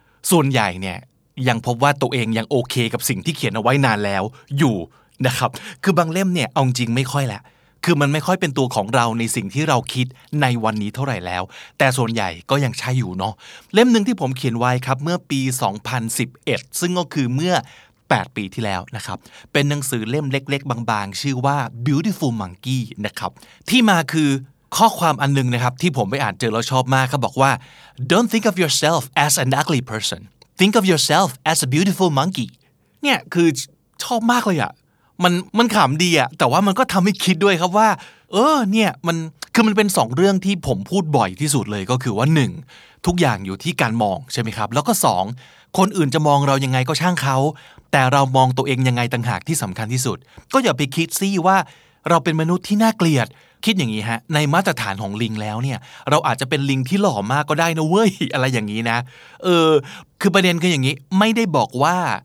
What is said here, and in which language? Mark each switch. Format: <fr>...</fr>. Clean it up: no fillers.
<th>ส่วนใหญ่เนี่ยยังพบว่าตัวเองยังโอเคกับสิ่งที่เขียนเอาไว้นานแล้วอยู่นะครับคือบางเล่มเนี่ยเอาจริงไม่ค่อยแหละคือมันไม่ค่อยเป็นตัวของเราในสิ่งที่เราคิดในวันนี้เท่าไหร่แล้วแต่ส่วนใหญ่ก็ยังใช่อยู่เนาะเล่มนึงที่ผมเขียนไว้ครับเมื่อปี 2011ซึ่งก็คือเมื่อ8ปีที่แล้วนะครับเป็นหนังสือเล่มเล็กๆบางๆชื่อว่า Beautiful Monkey นะครับที่มาคือข้อความอันนึงนะครับที่ผมไปอ่านเจอแล้วชอบมากเขาบอกว่า</th> <en>Don't think of yourself as an ugly person. Think of yourself as a beautiful monkey.</en> <th>เนี่ยคือชอบมากเลยอ่ะมันขำดีอ่ะแต่ว่ามันก็ทำให้คิดด้วยครับว่าเออเนี่ยมันคือมันเป็น2เรื่องที่ผมพูดบ่อยที่สุดเลยก็คือว่า1ทุกอย่างอยู่ที่การมองใช่มั้ยครับแล้วก็2คนอื่นจะมองเรายังไงก็ช่างเขาแต่เรามองตัวเองยังไงต่างหากที่สำคัญที่สุดก็อย่าไปคิดซิว่าเราเป็นมนุษย์ที่น่าเกลียดคิดอย่างนี้ฮะในมาตรฐานของลิงแล้วเนี่ยเราอาจจะเป็นลิงที่หล่อมากก็ได้นะเว้ยอะไรอย่างนี้นะเออคือประเด็นคืออย่างนี้ไม่ได้บอกว่า</th>